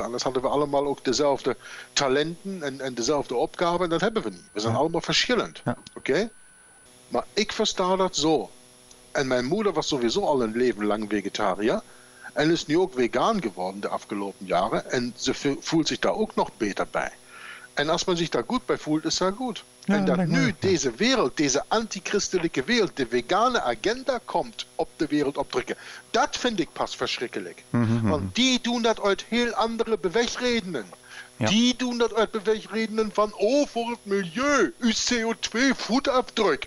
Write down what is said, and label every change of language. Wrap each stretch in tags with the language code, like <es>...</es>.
<nl>Anders hadden we allemaal ook dezelfde talenten en dezelfde opgaven. En dat hebben we niet. We zijn allemaal verschillend. Ja. Okay? Maar ik versta dat zo. En mijn moeder was sowieso al een leven lang vegetariër. En is nu ook vegan geworden de afgelopen jaren. En ze voelt zich daar ook nog beter bij.</nl> <de>En als man sich da gut bei fühlt, ist ja gut.</de> <nl>Ja, en dat nu deze wereld, deze antichristelijke wereld, de vegane agenda komt op de wereld opdrukken, dat vind ik pas verschrikkelijk. Mm-hmm. Want die doen dat uit heel andere Bewegredenen. Ja. Die doen dat uit Bewegredenen van, oh, voor het milieu, uw CO2-voetafdruk.</nl>